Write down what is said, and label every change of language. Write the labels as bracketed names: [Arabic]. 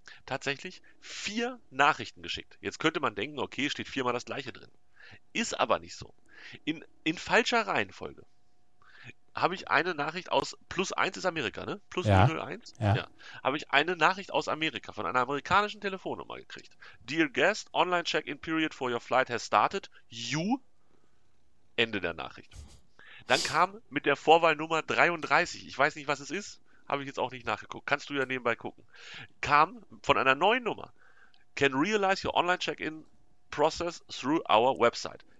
[German] tatsächlich 4 Nachrichten geschickt. Jetzt könnte man denken, okay, steht 4-mal das Gleiche drin. Ist aber nicht so. In falscher Reihenfolge habe ich eine Nachricht aus, plus 1 ist Amerika, ne? Plus ja. 01? Ja. Ja. Habe ich eine Nachricht aus Amerika von einer amerikanischen Telefonnummer gekriegt. [English] Dear guest, online check-in period for your flight has started. [German] You. Ende der Nachricht. Dann kam mit der Vorwahlnummer 33, ich weiß nicht, was es ist, habe ich jetzt auch nicht nachgeguckt, kannst du ja nebenbei gucken, kam von einer neuen Nummer. [English] Can realize your online check-in process through our website.